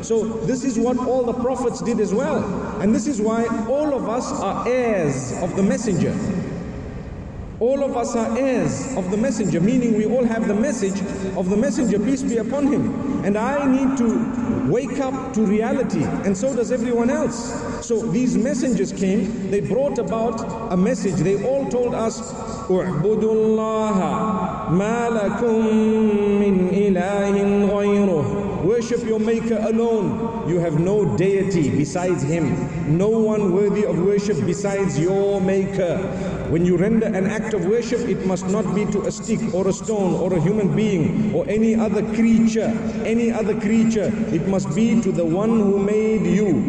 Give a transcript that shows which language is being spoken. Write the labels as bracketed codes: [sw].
[en] So this is what all the prophets did as well. And this is why all of us are heirs of the Messenger. All of us are heirs of the Messenger, meaning we all have the message of the Messenger, peace be upon him. And I need to wake up to reality, and so does everyone else. So these messengers came, they brought about a message. They all told us, [ar] اُعْبُدُ اللَّهَ مَا لَكُم مِّنْ إِلَٰهٍ غَيْرُهُ [en] Worship your maker alone. You have no deity besides him. No one worthy of worship besides your maker. When you render an act of worship, it must not be to a stick or a stone or a human being or any other creature. Any other creature. It must be to the one who made you.